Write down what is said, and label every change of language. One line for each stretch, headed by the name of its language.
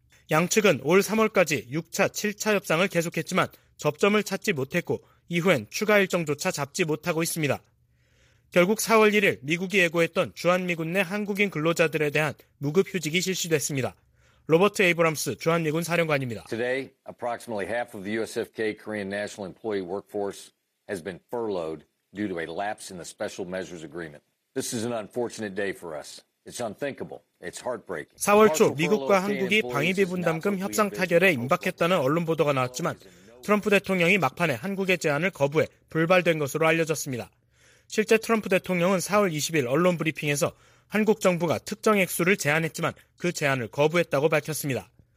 Korean: 양측은 올 3월까지 6차, 7차 협상을 계속했지만 접점을 찾지 못했고 이후엔 추가 일정조차 잡지 못하고 있습니다. 결국 4월 1일 미국이 예고했던 주한미군 내 한국인 근로자들에 대한 무급휴직이 실시됐습니다. 로버트 에이브람스 주한미군 사령관입니다.
English: Today, approximately half of the USFK Korean National Employee Workforce has been furloughed due to a lapse in the special measures agreement. This is an unfortunate day for us. It's unthinkable. It's heartbreaking.
Korean: 4월 초 미국과 한국이 방위비 분담금 협상 타결에 임박했다는 언론 보도가 나왔지만 트럼프 대통령이 막판에 한국의 제안을 거부해 불발된 것으로 알려졌습니다. 실제 트럼프 대통령은 4월 20일 언론 브리핑에서 한국 정부가 특정 액수를 제안했지만 그 제안을 거부했다고 밝혔습니다.